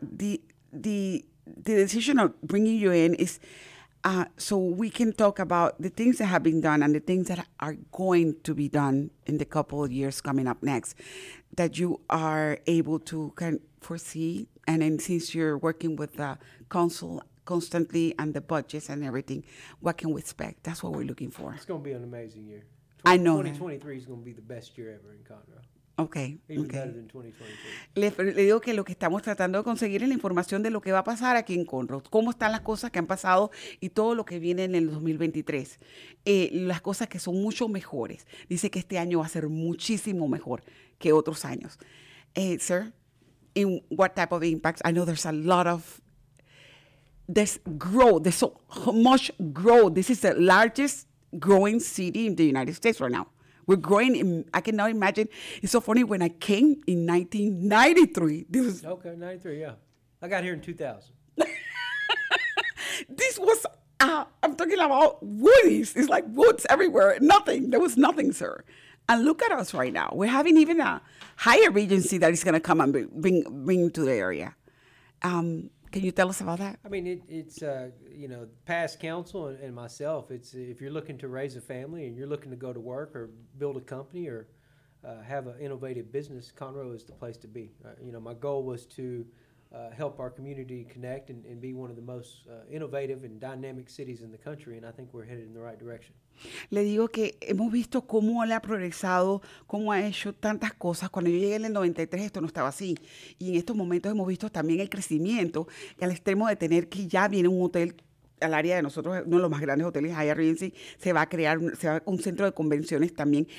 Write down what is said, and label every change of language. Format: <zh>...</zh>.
<en>The decision of bringing you in is so we can talk about the things that have been done and the things that are going to be done in the couple of years coming up next that you are able to kind of foresee. And then since you're working with the council constantly and the budgets and everything, what can we expect? That's what we're looking for. It's going to be an amazing year. I know. 2023 is going to be the best year ever in Conroe. Okay. Better than 2022.</en> <es>Le digo que lo que estamos tratando de conseguir es la información de lo que va a pasar aquí en Conroe, cómo están las cosas que han pasado y todo lo que viene en el 2023. Las cosas que son mucho mejores. Dice que este año va a ser muchísimo mejor que otros años.</es> <en>Sir, in what type of impacts? I know there's a lot of there's so much growth. This is the largest growing city in the United States right now. We're growing. I cannot imagine. It's so funny. When I came in 1993, this was... Okay, 93, yeah. I got here in 2000. This was... I'm talking about woodies. It's like woods everywhere. Nothing. There was nothing, sir. And look at us right now. We're having even a higher agency that is going to come and bring to the area. Can you tell us about that? I mean, it's past council and myself, it's if you're looking to raise a family and you're looking to go to work or build a company or have an innovative business, Conroe is the place to be. My goal was to help our community connect and be one of the most innovative and dynamic cities in the country, and I think we're headed in the right direction.</en> <es>Le digo que hemos visto cómo él ha progresado, cómo ha hecho tantas cosas. Cuando yo llegué en el 93, esto no estaba así. Y en estos momentos hemos visto también el crecimiento, y al extremo de tener que ya viene un hotel al área de nosotros, uno de los más grandes hoteles allá en Regency, se va a crear un centro de convenciones también.</es>